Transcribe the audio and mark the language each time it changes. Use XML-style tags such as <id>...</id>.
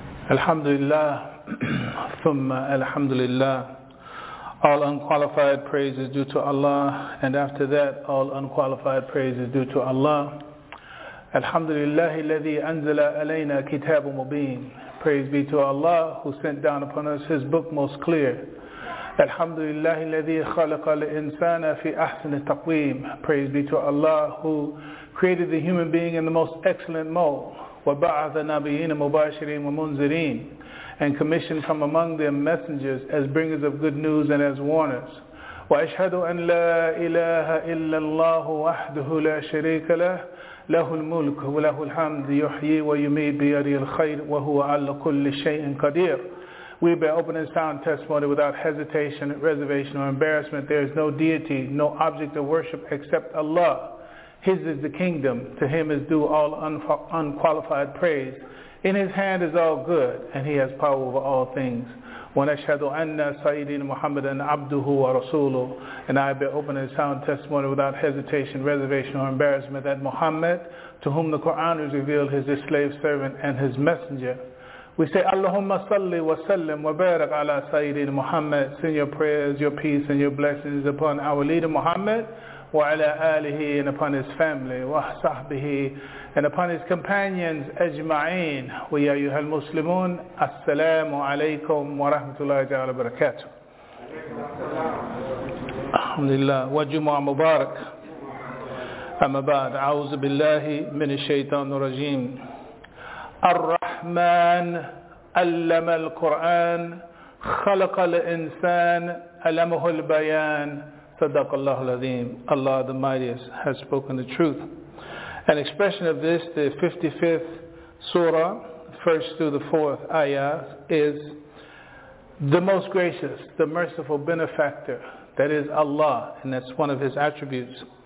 <en>Alhamdulillah, thumma alhamdulillah, all unqualified praise is due to Allah, and after that, all unqualified praise is due to Allah.</en> <ar>Alhamdulillah, الذي أنزل علينا كتاب مبين.</ar> <en>Praise be to Allah, who sent down upon us His book most clear.</en> <ar>Alhamdulillah, الذي خلق الإنسان في أحسن تقويم.</ar> <en>Praise be to Allah, who created the human being in the most excellent mold.</en> <ar>وَبَعَثَ نَبِيِّينَ مُبَاشِرِينَ وَمُنْزِرِينَ</ar> <en>and commissioned from among them messengers as bringers of good news and as warners.</en> <ar>وَأَشْهَدُ أَنْ لَا إِلَهَ إِلَّا اللَّهُ وَحْدُهُ لَا شَرِيكَ لَهُ لَهُ الْمُلْكُ وَلَهُ الْحَمْدُ يُحْيِي وَيُمِيتُ بِيَدِهِ الْخَيْرُ وَهُوَ عَلَى كُلِّ شَيْءٍ قَدِيرٌ.</ar> <en>We bear open and sound testimony without hesitation, reservation, or embarrassment. There is no deity, no object of worship except Allah. His is the kingdom. To him is due all unqualified praise. In his hand is all good, and he has power over all things.</en> <ar>وَنَشْهَدُ أَنَّ سَيِّدِينَ مُحَمَّدًا عَبْدُهُ وَرَسُولُهُ</ar> <en>And I bear open and sound testimony without hesitation, reservation, or embarrassment that Muhammad, to whom the Quran is revealed, is his slave servant and his messenger. We say,</en> <ar>اللهم صل وسلم وبارك على سيدنا محمد.</ar> <en>Send your prayers, your peace, and your blessings upon our leader Muhammad,</en> <ar>وعلى آله</ar> <en>and upon his family,</en> <ar>وصحبه</ar> <en>and upon his companions,</en> <ar>أجمعين. ويا أيها المسلمون, السلام عليكم ورحمة الله تعالى وبركاته. الحمد لله. وجمع مبارك. أما بعد, أعوذ بالله من الشيطان الرجيم. الرحمن علم القرآن خلق الإنسان علمه البيان صدق الله العظيم.</ar> <en>Allah the Mightiest has spoken the truth. An expression of this, the 55th surah, first through the fourth ayah, is the most gracious, the merciful benefactor, that is Allah, and that's one of his attributes.</en>